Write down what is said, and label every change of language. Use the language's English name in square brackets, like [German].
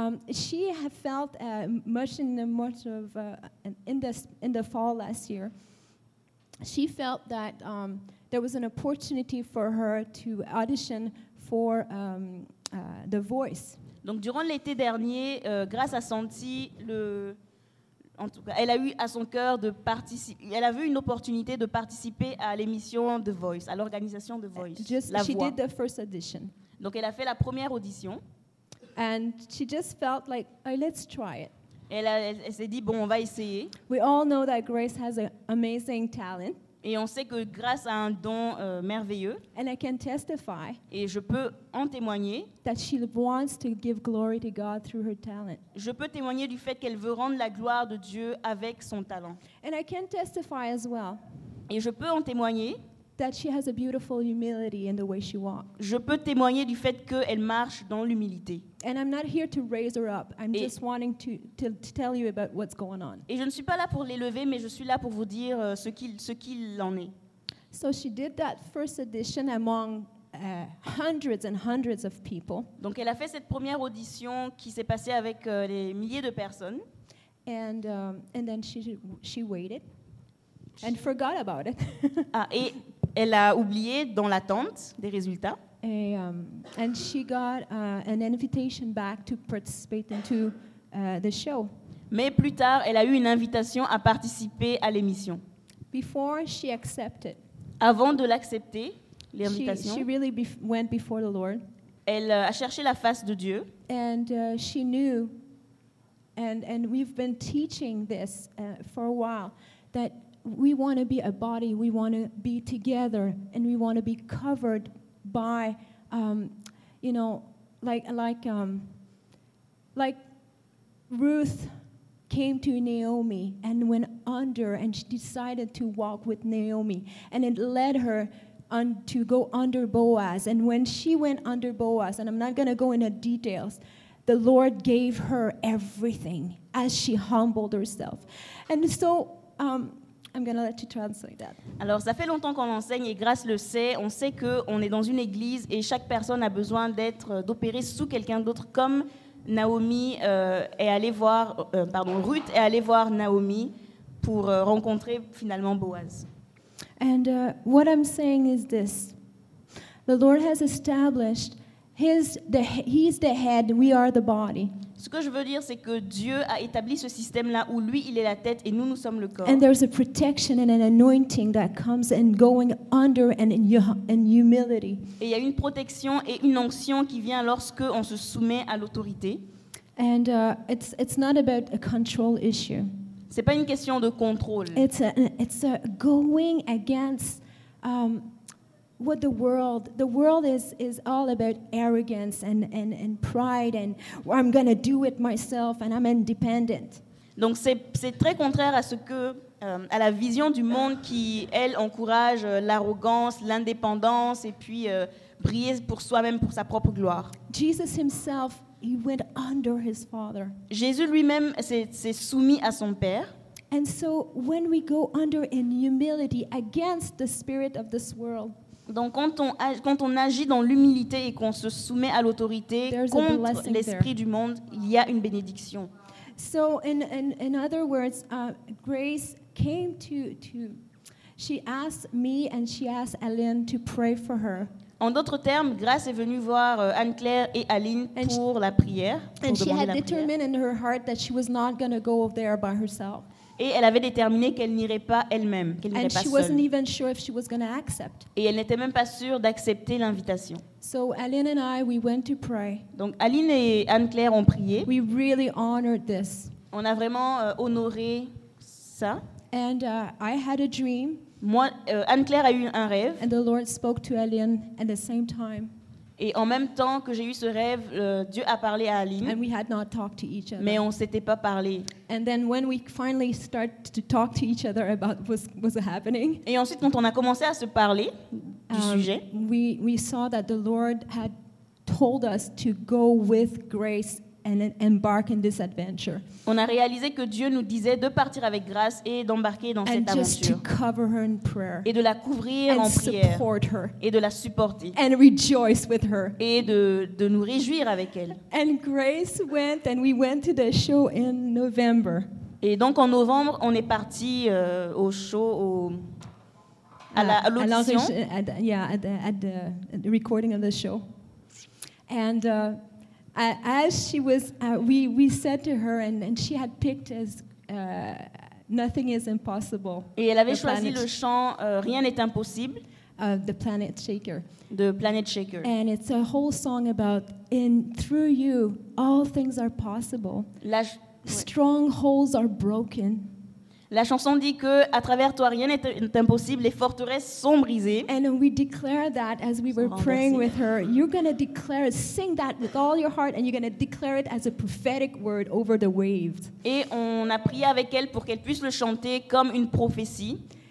[English] She had felt much in the fall last year. She felt that there was an opportunity for her to audition for The Voice. [French] Donc durant l'été dernier, grâce à Santi, en tout cas, elle a eu à son cœur de participer. Elle a vu une opportunité de participer à l'émission The Voice, à l'organisation The Voice. [English] She did the first audition. [French] Donc elle a fait la première audition. [English] And she just felt like, oh, let's try it. [French] Elle s'est dit, bon, on va essayer. [English] We all know that Grace has an amazing talent. [French] Et on sait que Grace a un don merveilleux. [English] And I can testify. [French] Et je peux en témoigner. [English] That she wants to give glory to God through her talent. [French] Je peux témoigner du fait qu'elle veut rendre la gloire de Dieu avec son talent. [English] And I can testify as well. [French] Et je peux en témoigner. [English] That she has a beautiful humility in the way she walks. [French] Je peux témoigner du fait qu'elle marche dans l'humilité. [English] And I'm not here to raise her up. I'm just wanting to tell you about what's going on. [French] Et je ne suis pas là pour l'élever, mais je suis là pour vous dire ce qu'il en est. [English] So she did that first audition among hundreds and hundreds of people. [French] Donc elle a fait cette première audition qui s'est passée avec les milliers de personnes. [English] And then she waited. And forgot about it. [French] et elle a oublié dans l'attente des résultats. [English] And she got an invitation back to participate into the show. [French] Mais plus tard, elle a eu une invitation à participer à l'émission. [English] Before she accepted. [French] Avant de l'accepter, l'invitation. [English] She really went before the Lord. [French] Elle a cherché la face de Dieu. [English] And she knew, and we've been teaching this for a while, that we want to be a body, we want to be together, and we want to be covered by, like Ruth came to Naomi and went under, and she decided to walk with Naomi, and it led her to go under Boaz. And when she went under Boaz, and I'm not going to go into details, the Lord gave her everything as she humbled herself. And so I'm going to let you translate that. [French] Alors, ça fait longtemps qu'on enseigne et Grace le sait. On sait que on est dans une église et chaque personne a besoin d'opérer sous quelqu'un d'autre, comme Naomi Ruth est allée voir Naomi pour rencontrer finalement Boaz. [English] And what I'm saying is this: the Lord has established He's the head. We are the body. [French] Ce que je veux dire, c'est que Dieu a établi ce système-là où lui, il est la tête et nous sommes le corps. [English] And there's a protection and an anointing that comes in going under and in humility. [French] Et il y a une protection et une onction qui vient lorsque on se soumet à l'autorité. [English] And it's not about a control issue. [French] C'est pas une question de contrôle. [English] It's a going against what the world is all about arrogance and pride and I'm going to do it myself and I'm independent. [French] Donc c'est très contraire à ce que à la vision du monde qui elle encourage l'arrogance, l'indépendance et puis briller pour soi-même pour sa propre gloire. [English] Jesus himself, he went under his father. [French] Jésus lui-même s'est soumis à son père. [English] And so when we go under in humility against the spirit of this world, [French] Donc quand on agit dans l'humilité et qu'on se soumet à l'autorité contre l'esprit du monde, il y a une bénédiction. [English] So in other words, Grace came to she asked me and she asked Aline to pray for her. [French] En d'autres termes, Grace est venue voir Anne-Claire et Aline pour la prière. [English] And she had determined in her heart that she was not going to go there by herself. [French] Et elle avait déterminé qu'elle n'irait pas elle-même, qu'elle n'irait pas seule. [English] And she wasn't even sure if she was going to accept. [French] Et elle n'était même pas sûre d'accepter l'invitation. [English] So Aline and I, we went to pray. [French] Donc Aline et Anne-Claire ont prié. [English] We really honored this. [French] On a vraiment honoré ça. [English] And I had a dream. [French] Moi, Anne-Claire a eu un rêve. [English] And the Lord spoke to Aline at the same time. [French] Et en même temps que j'ai eu ce rêve, Dieu a parlé à Aline. [English] And we had not talked to each other. [French] Mais on s'était pas parlé. [English] And then when we finally started to talk to each other about what was happening. [French] Et ensuite quand on a commencé à se parler du sujet, [English] we saw that the Lord had told us to go with Grace and embark in this adventure. [French] On a réalisé que Dieu nous disait de partir avec Grace et d'embarquer dans [English] and [French] cette aventure. [English] And just to cover her in prayer. [French] Et de la couvrir [English] and [French] en prière. [English] And support her. [French] Et de la supporter. [English] And rejoice with her. [French] Et de nous réjouir avec elle. [English] And Grace went and we went to the show in November. [French] Et donc en novembre, on est parti au show au à l'audition. [English] At the recording of the show. And as she was, we said to her, and she had picked as nothing is impossible. [French] Et elle avait choisi le chant Rien n'est impossible. [English] The Planet Shaker. The Planet Shaker. And it's a whole song about in through you all things are possible. Strongholds are broken. [French] La chanson dit que à travers toi rien n'est impossible, les forteresses sont brisées. [English] And we declare that as we were praying with her, you're going to declare, sing that with all your heart, and you're going to declare it as a prophetic word over the waves. [French] Et on a prié avec elle pour qu'elle puisse le chanter comme une prophétie.